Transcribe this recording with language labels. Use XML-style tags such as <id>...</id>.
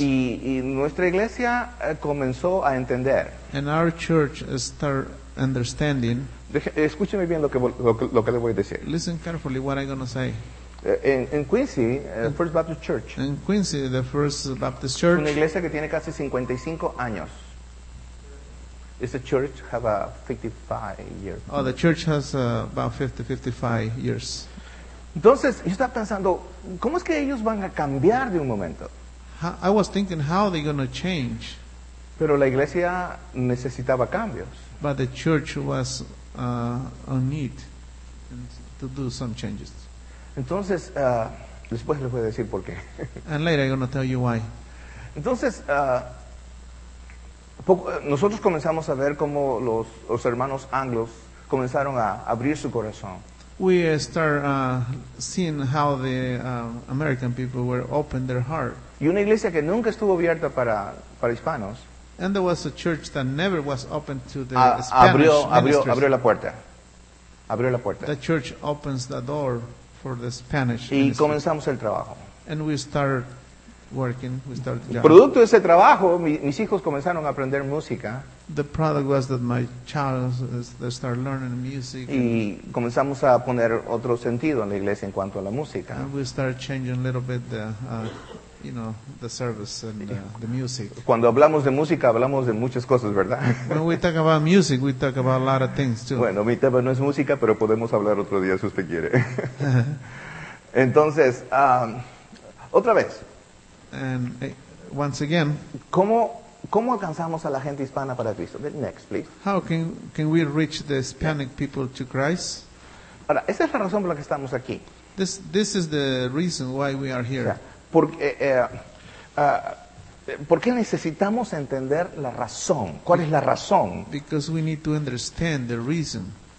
<es>Y nuestra iglesia comenzó a entender.</es> <en>And our church started understanding.</en> <es>Escúcheme bien lo que le voy a decir.</es> <en>Listen carefully what I'm going to say.</en> <es>En Quincy, First Baptist Church.</es> <en>In Quincy, the First Baptist Church.</en> <es>Es una iglesia que tiene casi 55 años.</es> <en>Is the church have a 55 years? Oh, the church has about 55 years.</en> <es>Entonces, yo estaba pensando, ¿cómo es que ellos van a cambiar de un momento?</es> <en>I was thinking, how are they going to change?</en> <es>Pero la iglesia necesitaba cambios.</es> <en>But the church was on need to do some changes.</en> <es>Entonces, después les voy a decir por qué.</es> <en>And later I'm going to tell you why.</en> <es>Entonces, nosotros comenzamos a ver cómo los hermanos anglos comenzaron a abrir su corazón.</es> <en>We start seeing how the American people were open their heart.</en> <es>Y una iglesia que nunca estuvo abierta para hispanos.</es> <en>And there was a church that never was open to the Spanish ministers.</en> <es>Abrió la puerta. Abrió la puerta.</es> <en>The church opens the door for the Spanish ministry.</en> <es>Y comenzamos el trabajo.</es> <en>And we start working. We start the job.</en> <es>Producto de ese trabajo, mis hijos comenzaron a aprender música.</es> <en>The product was that my child started learning music.</en> <es>Y comenzamos a poner otro sentido en la iglesia en cuanto a la música.</es> <en>And we start changing a little bit the, you know, the service and the music.</en> <es>Cuando hablamos de música, hablamos de muchas cosas, ¿verdad?</es> <en>When we talk about music, we talk about a lot of things too.</en> <es>Bueno, mi tema no es música, pero podemos hablar otro día si usted quiere. Entonces, otra vez.</es> <en>And once again.</en> <es>¿Cómo alcanzamos a la gente hispana para Cristo?</es> <en>Next, please. How can we reach the Hispanic people to Christ?</en> <es>Ahora, esa es la razón por la que estamos aquí.</es> <en>This is the reason why we are here.</en> <es>O sea, ¿por qué necesitamos entender la razón? ¿Cuál es la razón?</es> <en>Because we need to understand the reason.</en>